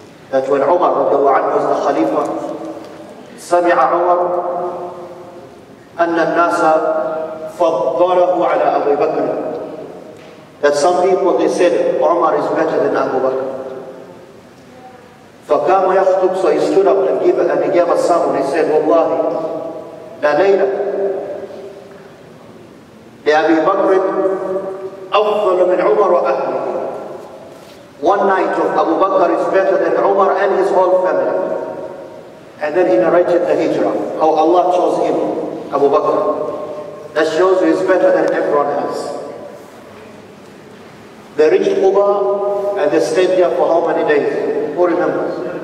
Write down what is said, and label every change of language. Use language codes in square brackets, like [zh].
[en] That when Umar was the Khalifa, [ar] Sami'a Umar Anna Nasa Fadharahu ala Abu Bakr. [en] That some people, they said Umar is better than Abu Bakr. [ar] Fakama yakhtub, [en] so he stood up and he gave a sermon. He said, [ar] Wallahi, la layla. لأبي بكر أفضل من عمر وأهله. [en] One night of Abu Bakr is better than Umar and his whole family. And then he narrated the hijrah, how Allah chose him, Abu Bakr. That shows he is better than everyone else. They reached Quba and they stayed there for how many days? Who remembers?